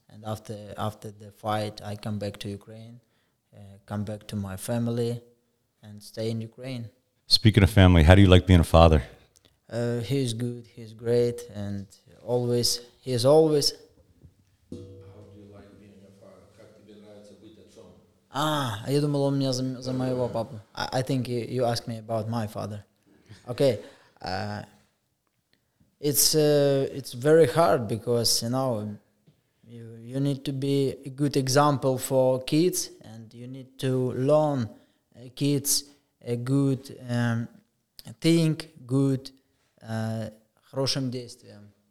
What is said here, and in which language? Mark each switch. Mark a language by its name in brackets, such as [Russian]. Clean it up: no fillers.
[English] And after the fight, I come back to Ukraine, come back to my family, and stay in Ukraine. Speaking of family, how do you like being a father? He's good, he's great, and always, he's always... [Russian] Ah, я думал, он меня за моего папу. [English] I think you asked me about my father. Okay. It's very hard because, you know, you need to be a good example for kids and you need to learn kids a good think, good [Russian] хорошим действием.